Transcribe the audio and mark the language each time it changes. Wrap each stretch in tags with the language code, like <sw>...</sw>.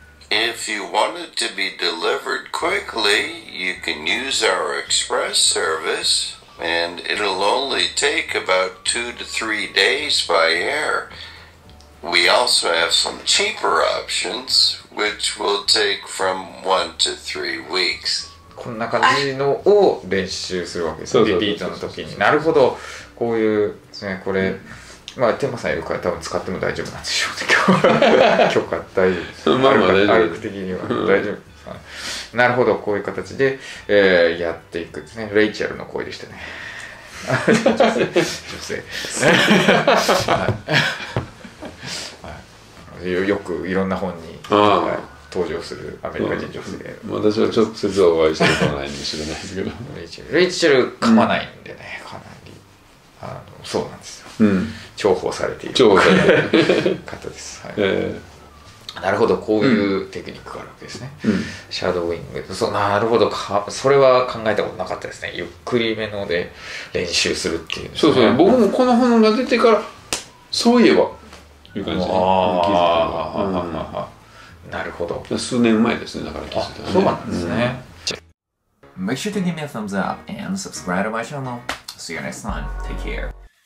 <en>If you want it to be delivered quickly, you can use our express service, and it'll only take about 2-3 days by air. We also have some cheaper options, which will take from 1-3 weeks.</en> <ja>こんな感じのを練習するわけです。リピートの時に。なるほど。こういう、ね、これ、まあ、テーマさんいるから多分使っても大丈夫なんでしょうね。許可大丈夫です。まあ、歩く的には大丈夫です。なるほど。こういう形で、やっていくですね。レイチェルの声でしたね。女性。よくいろんな本に登場するアメリカ人女性。私は直接お会いしたことないんですけどレイチェル噛まないんでね、かなりあのそうなんですよ、うん、重宝されている重宝されている方です、はい、えー、なるほど、こういうテクニックがあるわけですね、うん、シャドーイング、そう、なるほど、それは考えたことなかったですね。ゆっくりめので練習するっていう、ね、そうそう、僕もこの本が出てからそういえばいう感じで気づいたのが、うん、なるほど、数年前ですね、だから気づいたね。そうなんですね、うん、</ja> <en>Make sure to give me a thumbs up and subscribe to my channel. See you next time. Take care.</en>